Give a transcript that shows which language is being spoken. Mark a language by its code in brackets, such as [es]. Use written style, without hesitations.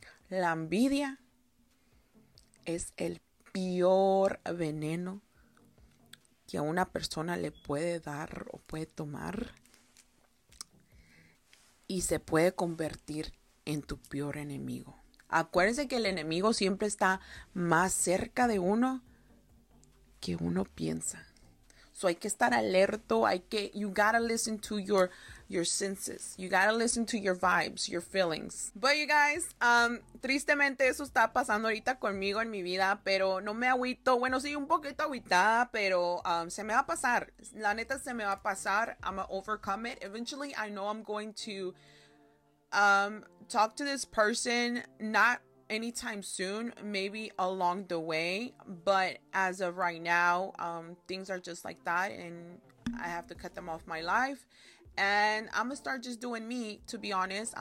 [es] La envidia es el peor veneno que a una persona le puede dar o puede tomar. Y se puede convertir en tu peor enemigo. Acuérdense que el enemigo siempre está más cerca de uno que uno piensa. So hay que estar alerto, hay que, [en] you gotta listen to your senses. You gotta listen to your vibes, your feelings. But you guys, [es] tristemente eso está pasando ahorita conmigo en mi vida, pero no me agüito. Bueno, sí, un poquito agüitada, pero se me va a pasar. La neta, se me va a pasar. [en] I'm gonna overcome it. Eventually, I know I'm going to talk to this person, not anytime soon, maybe along the way, but as of right now, things are just like that, and I have to cut them off my life, and I'm gonna start just doing me, to be honest.